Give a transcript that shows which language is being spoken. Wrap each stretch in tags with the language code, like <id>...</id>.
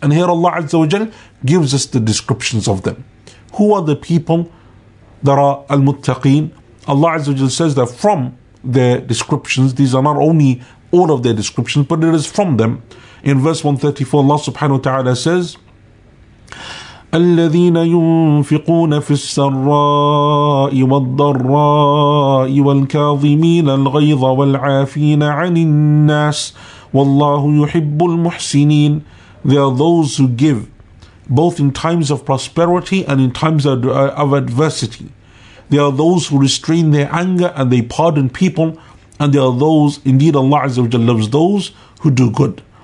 <en>And here Allah Azza wa Jalla gives us the descriptions of them. Who are the people that are al-muttaqeen? Allah Azza wa Jalla says that from their descriptions, these are not only all of their descriptions, but it is from them. In verse 134, Allah subhanahu wa ta'ala says,</en> <ar>الذين ينفقون في السراء والضراء والكاظمين الغيظ والعافين عن الناس والله يحب المحسنين.</ar> <en>They are those who give both in times of prosperity and in times of adversity. They are those who restrain their anger and they pardon people, and they are those, indeed Allah Azza wa Jalla loves those who do good.</en>